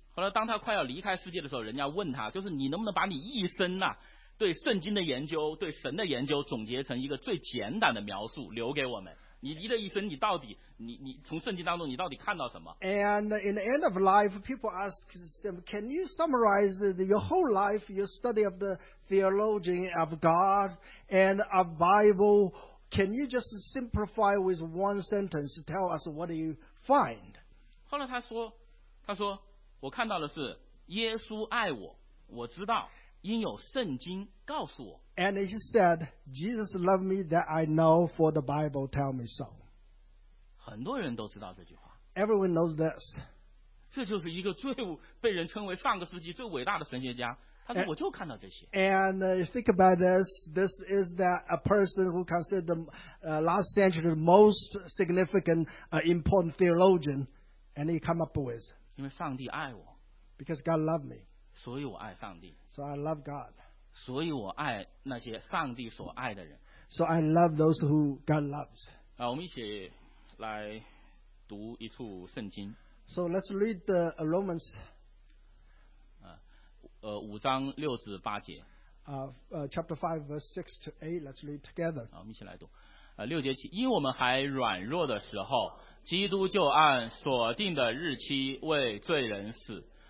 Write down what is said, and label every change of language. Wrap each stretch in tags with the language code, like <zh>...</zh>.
<zh>后来当他快要离开世界的时候，人家问他，就是你能不能把你一生啊，对圣经的研究，对神的研究总结成一个最简单的描述留给我们。你离了一生，你到底你从圣经当中你到底看到什么？</zh> <en>And in the end of life, people ask him, can you summarize your whole life, your study of the theology of God and of Bible? Can you just simplify with one sentence to tell us what you find?</en> <zh>后来他说我看到的是耶稣爱我，我知道因有圣经告诉我。</zh> <en>And he said, Jesus loved me that I know for the Bible tell me so.</en> <zh>很多人都知道这句话。</zh> <en>Everyone knows this.</en> <zh>这就是一个最被人称为上个世纪最伟大的神学家，他说我就看到这些。</zh> <en>And think about this is that a person who considered the last century the most significant important theologian, and he come up with.</en> <zh>因为上帝爱我。</zh> <en>Because God loved me.</en> <zh>所以我爱上帝。</zh> <en>So I love God.</en> <zh>所以我爱那些上帝所爱的人。</zh> <en>So I love those who God loves.</en> <zh>啊，我们一起来读一处圣经。</zh> <en>So let's read the Romans.</en> <zh>五章六至八节。</zh> <en>Chapter 5 verse 6 to 8. Let's read together.</en> <zh>啊，我们一起来读。六节起，因我们还软弱的时候，基督就按所定的日期为罪人死。</zh>